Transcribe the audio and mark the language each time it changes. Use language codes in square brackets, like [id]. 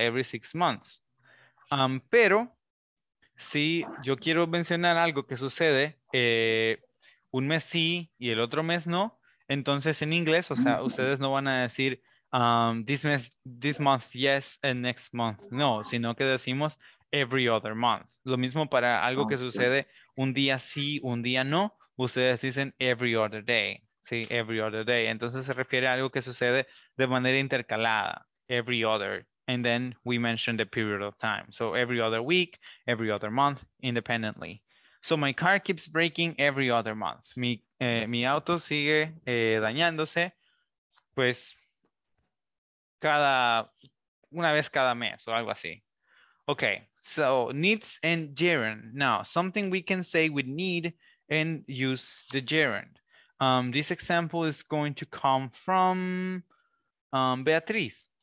[en] Every 6 months. [es] Pero si yo quiero mencionar algo que sucede un mes sí y el otro mes no, entonces en inglés, o sea, ustedes no van a decir [en] this month yes and next month no, [es] sino que decimos [en] every other month. [es] Lo mismo para algo que sucede un día sí, un día no, ustedes dicen [en] every other day. [es] Sí, [en] every other day. [es] Entonces se refiere a algo que sucede de manera intercalada. [en] Every other. And then we mention the period of time. So every other week, every other month, independently. So my car keeps breaking every other month. [es] Mi auto sigue dañándose, pues, una vez cada mes o algo así. [en] Okay, so needs and gerund. Now, something we can say with need and use the gerund. This example is going to come from Beatriz.